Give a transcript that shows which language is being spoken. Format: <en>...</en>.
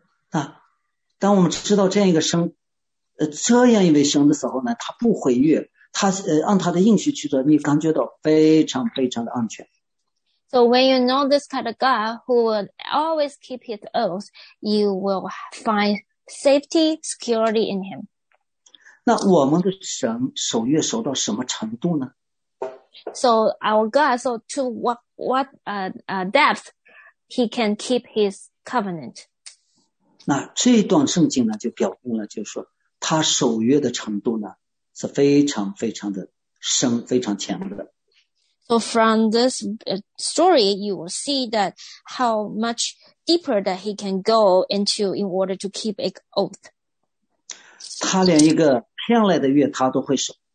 <zh>那当我们知道这样一个神，这样一位神的时候呢，他不毁约，他按他的应许去做，你感觉到非常非常的安全。</zh> <en>So when you know this kind of God who will always keep his oath, you will find safety, security in him.</en> <zh>那我们的神守约守到什么程度呢？</zh> <en>So our God, so to what depth he can keep his covenant.</en> <zh>那这一段圣经呢就表明了，就是说他守约的程度呢是非常非常的深，非常强的。</zh> <en>So from this story, you will see that how much deeper that he can go into in order to keep an oath.</en> <zh>他连一个骗来的约他都会守。</zh>